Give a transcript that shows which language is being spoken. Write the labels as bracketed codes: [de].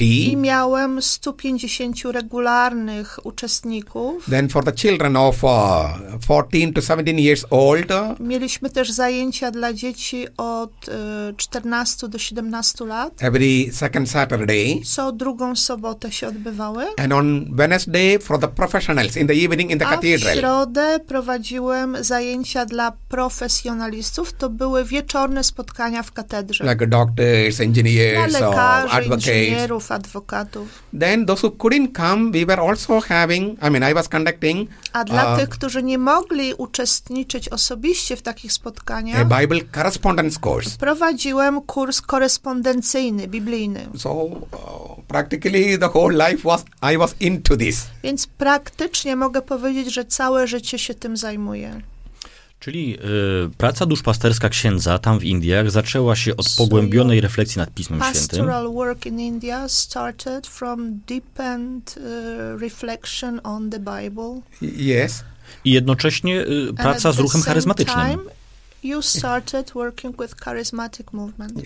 [pl] I miałem 150 regularnych uczestników. [en] Then for the children of 14 to 17 years old. [pl] Mieliśmy też zajęcia dla dzieci od 14 do 17 lat. [en] Every second Saturday. [pl] Co drugą sobotę się odbywały. [en] And on Wednesday for the professionals in the evening in the cathedral. [pl] A w środę prowadziłem zajęcia dla profesjonalistów. To były wieczorne spotkania w katedrze. [en] Like doctors, engineers. lawyers, [pl] lekarzy, [en] or advocates. [pl] Inżynierów, adwokatów. [en] Then those who couldn't come, we were also having, I mean, I was conducting. [pl] A dla tych, którzy nie mogli uczestniczyć osobiście w takich spotkaniach, [en] a Bible correspondence course. [pl] Prowadziłem kurs korespondencyjny, biblijny. [en] So practically the whole life was, I was into this. [pl] Więc praktycznie mogę powiedzieć, że całe życie się tym zajmuję. Czyli praca duszpasterska księdza tam w Indiach zaczęła się od pogłębionej refleksji nad Pismem Świętym. [en] Pastoral work in India started from deepened reflection on the Bible. Yes. [pl] I jednocześnie praca z ruchem charyzmatycznym. [en] Time, you started working with charismatic movement.